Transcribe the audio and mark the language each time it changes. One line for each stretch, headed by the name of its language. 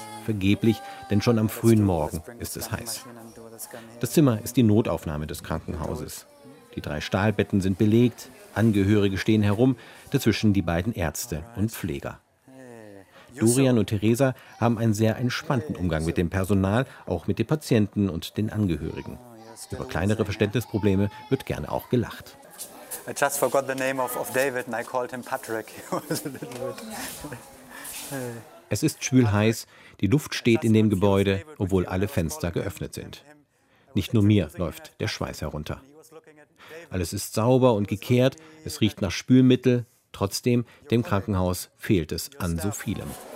German: Vergeblich, denn schon am frühen Morgen ist es heiß. Das Zimmer ist die Notaufnahme des Krankenhauses. Die drei Stahlbetten sind belegt, Angehörige stehen herum, dazwischen die beiden Ärzte und Pfleger. Dorian und Theresa haben einen sehr entspannten Umgang mit dem Personal, auch mit den Patienten und den Angehörigen. Über kleinere Verständnisprobleme wird gerne auch gelacht.
English: I just forgot the name of David and I called him Patrick.
German: Es ist schwülheiß, die Luft steht in dem Gebäude, obwohl alle Fenster geöffnet sind. Nicht nur mir läuft der Schweiß herunter. Alles ist sauber und gekehrt, es riecht nach Spülmittel. Trotzdem, dem Krankenhaus fehlt es an so vielem.